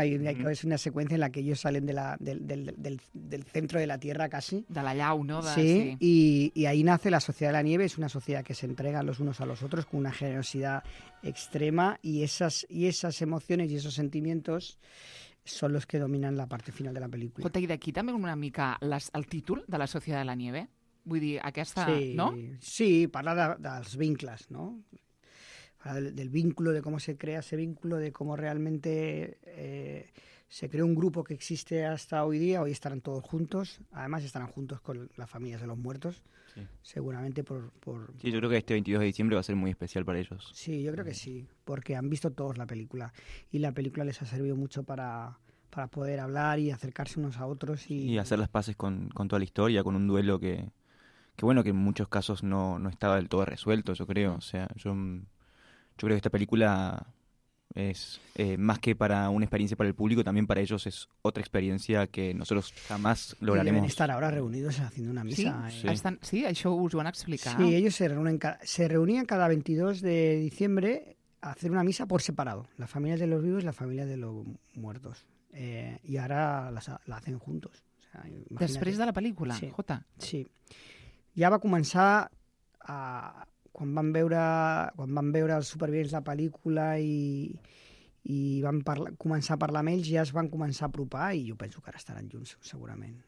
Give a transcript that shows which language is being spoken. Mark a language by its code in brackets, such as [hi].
[es] Es una secuencia en la que ellos salen de del centro de la Tierra casi. De la llau, ¿no? Sí, y ahí nace la Sociedad de la Nieve. Es una sociedad que se entrega los unos a los otros con una generosidad extrema y esas emociones y esos sentimientos son los que dominan la parte final de la película. [ca] Jota, i d'aquí també una mica el títol de la Sociedad de la Nieve. Vull dir, aquesta, sí, no? Sí, parla dels vincles, ¿no? [es] Del vínculo, de cómo se crea ese vínculo, de cómo realmente se crea un grupo que existe hasta hoy día. Hoy estarán todos juntos. Además, estarán juntos con las familias de los muertos, sí. Seguramente por... Sí, yo creo que este 22 de diciembre va a ser muy especial para ellos. Sí, yo creo que sí, porque han visto todos la película. Y la película les ha servido mucho para poder hablar y acercarse unos a otros. Y hacer las paces con toda la historia, con un duelo que bueno, que en muchos casos no estaba del todo resuelto, yo creo. O sea, yo creo que esta película es más que para una experiencia para el público, también para ellos es otra experiencia que nosotros jamás lograremos. Deben estar ahora reunidos haciendo una misa. [ca] Sí, això us ho van explicar. [es] Sí, ellos se reunían cada 22 de diciembre a hacer una misa por separado. Las familias de los vivos y las familias de los muertos. Y ahora la hacen juntos. O [ca] sea, després de la película, sí. Jota. Sí. Ja va començar a... quan van veure els supervivents de la pel·lícula i van començar a parlar amb ells, ja es van començar a apropar i jo penso que ara estaran junts, segurament.